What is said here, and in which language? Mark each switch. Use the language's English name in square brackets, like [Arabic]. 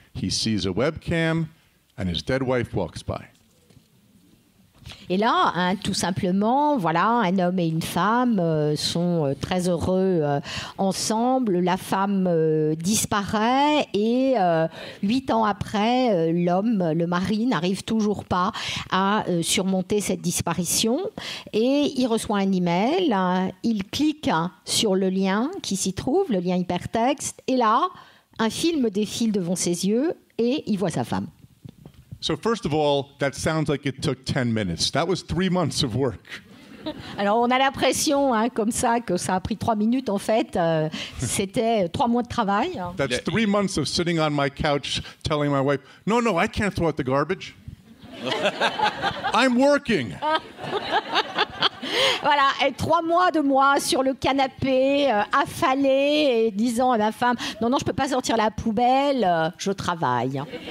[English] He sees a webcam, and his dead wife walks by. [French] Et là, hein, tout simplement, voilà, un homme et une femme sont très heureux ensemble. La femme disparaît et 8 ans après, l'homme, le mari, n'arrive toujours pas à surmonter cette disparition. Et il reçoit un email, il clique sur le lien qui s'y trouve, le lien hypertexte. Et là, un film défile devant ses yeux et il voit sa femme. [English] So first of all, that sounds like it took 10 minutes. That was 3 months of work. [French] Alors on a l'impression, hein, comme ça, que ça a pris 3 minutes en fait. C'était 3 mois de travail. [English] That's 3 months of sitting on my couch telling my wife, no, no, I can't throw out the garbage. I'm working. [French] Voilà, et 3 mois de moi sur le canapé, affalé, et disant à ma femme, non, non, je ne peux pas sortir la poubelle, je travaille.